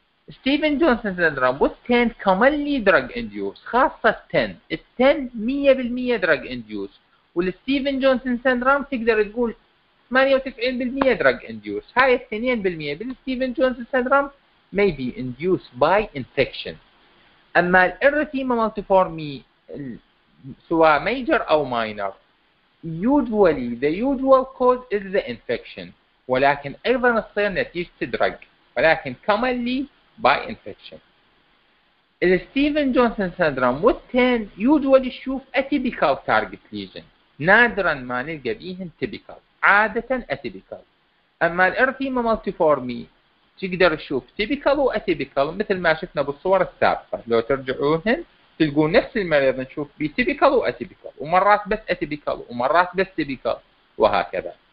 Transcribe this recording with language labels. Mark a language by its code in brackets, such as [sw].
[ar] ستيفن جونسون سندروم والتن كمالي دراج انديوس، خاصة التن، التن 100% دراج انديوس، والستيفن جونسون سندروم تقدر تقول 98% [en] drug induced. [ar] هاي الثنين بالمئة بالستيفن جونسون سندروم [en] may be induced by infection. [ar] أما الإرثيما مالتيفورمي سواء [en] major [ar] أو [en] minor usually the usual cause is the infection، [ar] ولكن أيضا تصير نتيجة [en] drug، [ar] ولكن [en] commonly by infection. [ar] الستيفن جونسون سندروم والتين [en] usually [ar] شوف [en] atypical target lesion، [ar] نادرا ما نلقى بيهن [en] typical، [ar] عادة اتيبيكال. اما الارثيما مالتيفورمي تقدر تشوف تيبيكال واتيبيكال مثل ما شفنا بالصور السابقة، لو ترجعوهن تلقون نفس المريض نشوف بي تيبيكال واتيبيكال، ومرات بس اتيبيكال ومرات بس تيبيكال وهكذا.